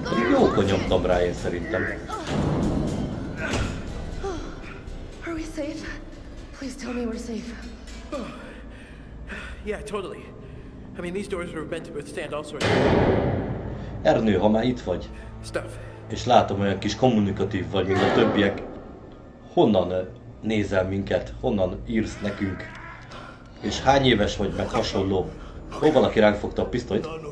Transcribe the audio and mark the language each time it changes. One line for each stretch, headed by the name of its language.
Hungarian: Jókor nyomtam rá én szerintem.
English: Are we safe? Please tell me we're safe. Yeah, totally. I mean, these doors were meant to withstand all sorts of...
Hungarian: Ernő, ha már itt vagy, és látom, olyan kis kommunikatív vagy, mint a többiek, honnan nézel minket, honnan írsz nekünk, és hány éves vagy, meg hasonló? Hol valaki ránk fogta a pisztolyt?